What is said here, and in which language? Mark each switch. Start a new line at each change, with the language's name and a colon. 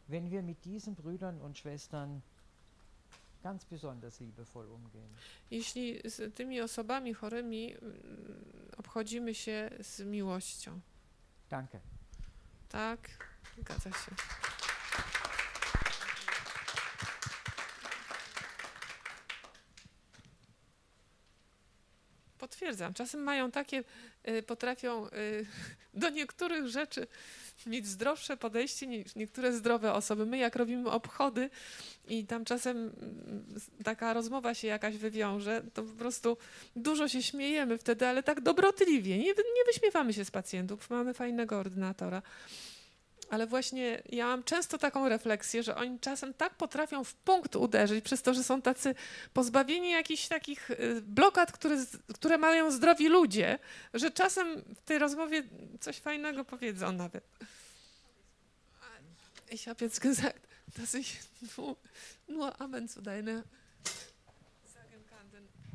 German: Wenn wir mit diesen Brüdern und Schwestern ganz besonders liebevoll umgehen.
Polish: Jeśli z tymi osobami chorymi obchodzimy się z miłością.
German: Danke.
Polish: Tak, zgadza się. Potwierdzam, czasem mają takie, potrafią do niektórych rzeczy mieć zdrowsze podejście niż niektóre zdrowe osoby. My jak robimy obchody i tam czasem taka rozmowa się jakaś wywiąże, to po prostu dużo się śmiejemy wtedy, ale tak dobrotliwie, nie wyśmiewamy się z pacjentów, mamy fajnego ordynatora. Ale właśnie ja mam często taką refleksję, że oni czasem tak potrafią w punkt uderzyć przez to, że są tacy pozbawieni jakichś takich blokad, które mają zdrowi ludzie, że czasem w tej rozmowie coś fajnego powiedzą nawet.
German: Ich habe jetzt gesagt, dass ich nur Amen zu deiner sagen kann.